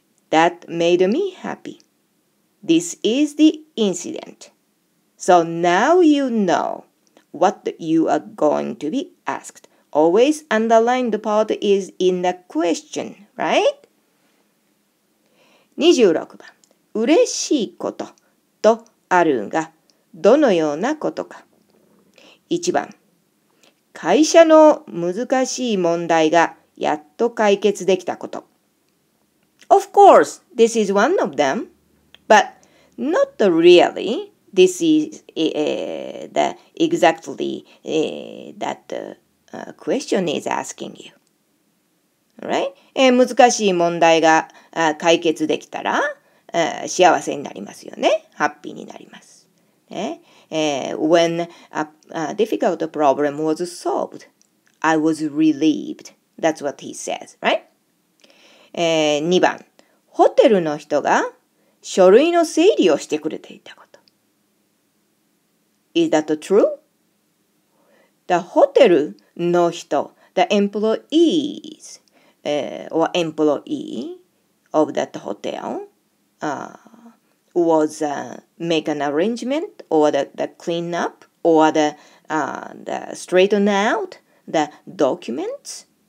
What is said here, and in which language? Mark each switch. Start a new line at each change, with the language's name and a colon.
English: That made me happy. This is the incident. So now you know what you are going to be asked. Always underlined part is in the question, right?
Japanese: 26番嬉しいこととあるが、どのようなことか。 1番、会社の難しい問題がやっと解決できたこと。
English: Of course, this is one of them, but not really. This is the question is asking you. Right?
Japanese: 難しい問題が解決できたら、幸せになりますよね。ハッピーになります。ね、
English: When a difficult problem was solved, I was relieved. That's what he says, right?
Japanese: 2番、ホテルの人が、書類の整理をしてくれていたこと。
English: Is that true? The hotel
Japanese: の人、
English: the employees, or employee of that hotel, was make an arrangement or the clean up or the straighten out the documents?